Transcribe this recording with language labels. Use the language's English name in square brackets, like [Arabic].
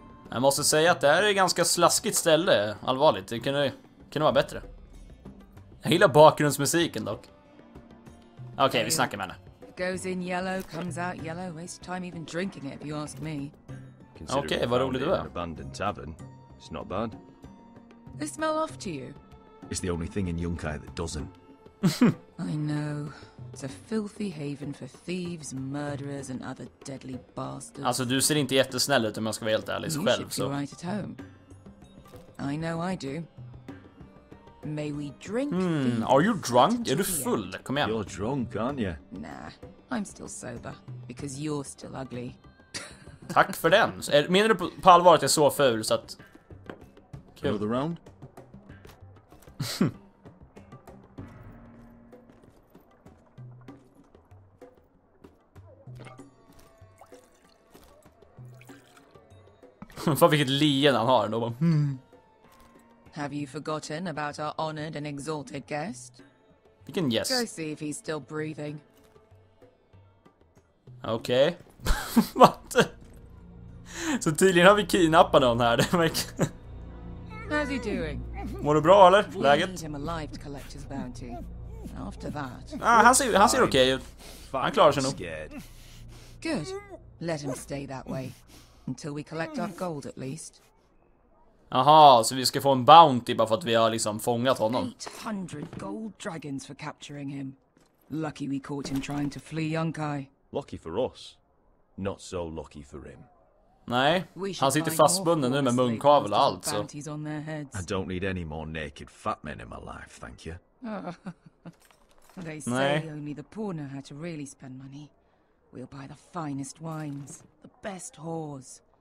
[Swedish] Jag måste säga att det här är ett ganska slaskigt ställe, allvarligt. Det kunde vara bättre. Jag gillar bakgrundsmusiken dock. Okej, okay, vi snackar med henne. [English] Goes in yellow, comes out yellow. Waste time even drinking it if you ask me. [Swedish] Okej, vad roligt det var. [English] Abandoned tavern. It's not bad. They smell off to you. It's the only thing in Yunkai that doesn't. I know. It's a filthy haven for thieves, murderers and other deadly bastards. [Swedish] Alltså du ser inte jättesnäll ut om jag ska vara helt ärlig själv så. [English] Right at home. I know I do. May we drink? Are you drunk? [Swedish] Är du full? Kom igen. [English] You're drunk, aren't you? Nah, I'm still sober because you're still ugly. [Swedish] Tack för den. Menar du på allvar att jag är så ful så att [English] kill the round? [Swedish] Fan vilket leende han har då. [English] Have you forgotten about our honored and exalted guest? [Swedish] Vilken gäst? [English] Go see if he's still breathing. [Swedish] Okej. Vad? Så tydligen har vi kidnappat någon här. [English] How's he doing? [Swedish] Mår du bra eller? Läget? [English] We need him alive to collect his bounty. After that. [Swedish] Ah, han ser okej ut. Han klarar sig nog. [English] Good. Let him stay that way. Until we collect our gold at least. [Swedish] Aha, så vi ska få en bounty bara för att vi har liksom fångat honom. [English] 800 gold dragons for capturing him. Lucky we caught him trying to flee Yunkai. Lucky for us. Not so lucky for him. [Swedish] Nej, han sitter fastbunden nu med munkavel och allt så. [English] I don't need any more naked fat men in my life, thank you. They say only the poor know how to really spend money. We'll buy the finest wines, the best whores.